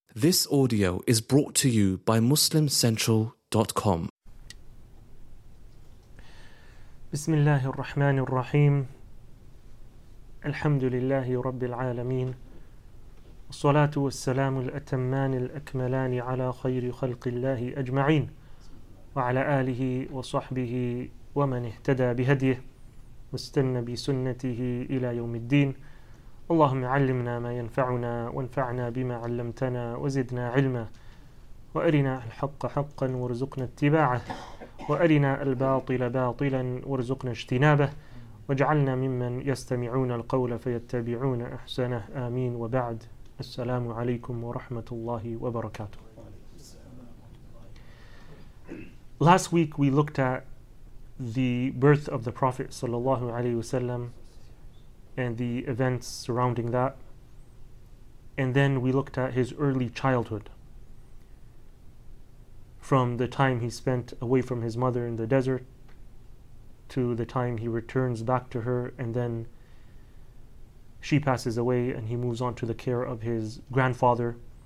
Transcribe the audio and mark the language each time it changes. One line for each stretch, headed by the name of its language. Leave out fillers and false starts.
English: This audio is brought to you by MuslimCentral.com.
Arabic: بسم الله الرحمن الرحيم الحمد لله رب العالمين الصلاة والسلام الأتمان الأكملان على خير خلق الله أجمعين وعلى آله وصحبه ومن اهتدى بهديه واستنى بسنته إلى يوم الدين. اللهم علمنا ما ينفعنا وانفعنا بما علمتنا وزدنا علما وأرنا الحق حقا وارزقنا اتباعه وأرنا الباطل باطلا وارزقنا اجتنابه واجعلنا ممن يستمعون القول فيتبعون أحسنه آمين. وبعد, السلام عليكم ورحمة الله وبركاته.
English: Last week we looked at the birth of the Prophet صلى الله عليه وسلم and the events surrounding that. And then we looked at his early childhood, from the time he spent away from his mother in the desert to the time he returns back to her, and then she passes away and he moves on to the care of his grandfather.